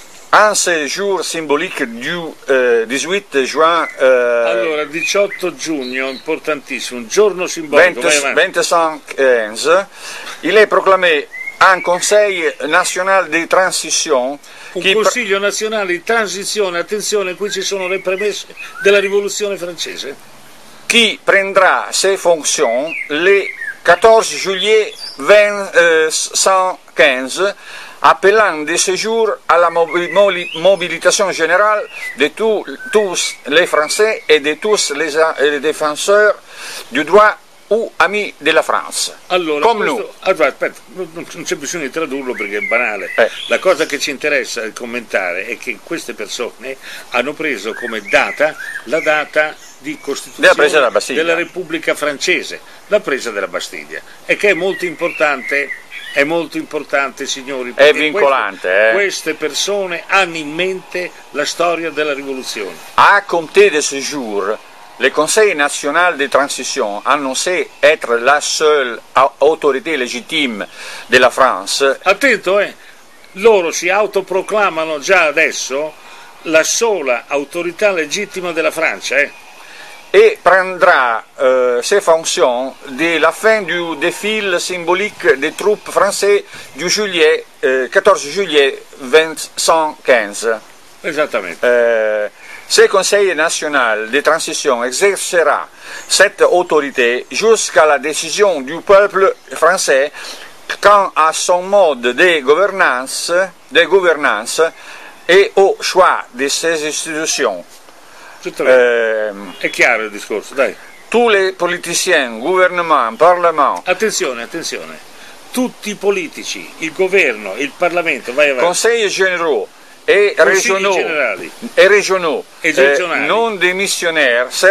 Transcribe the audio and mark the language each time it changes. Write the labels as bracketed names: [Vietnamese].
[French] En ce jour symbolique du 18 juin. [Italian] Allora, 18 giugno, importantissimo, giorno simbolico. [French] 25, il est proclamé un Conseil national de transition. [Italian] Un Consiglio nazionale di transizione, attenzione, qui ci sono le premesse della rivoluzione francese. [French] Qui prendrà ses fonctions le 14 juillet 2015, appelant de ce jour à la mobilisation générale de tous les Français et de tous les défenseurs du droit ou amis de la France. [Italian] Allora, aspetta, non c'è bisogno di tradurlo perché è banale. La cosa che ci interessa commentare è che queste persone hanno preso come data la data di costituzione della Repubblica Francese, la presa della Bastiglia, e che è molto importante, signori, perché è vincolante. Queste persone hanno in mente la storia della rivoluzione. [French] A compter de ce jour, le Conseil national de transition, annoncé être la seule autorité légitime de la France. [Italian] Attento, loro si autoproclamano già adesso la sola autorità legittima della Francia, [French] E prendrà ses fonctions de la fin du défilé symbolique des troupes françaises du juillet 14 juillet 2015. [Italian] Esattamente. [French] Se il Conseil national de transition exercera cette autorité jusqu'à la décision du peuple français quant à son mode de gouvernance et au choix de ses institutions. [Italian] È chiaro il discorso, dai. [French] Tous les politiciens, gouvernement, parlement. [Italian] Attenzione. Tutti i politici, il governo, il parlamento, vai avanti. [French] Conseil généraux e regionaux, non démissionnaire,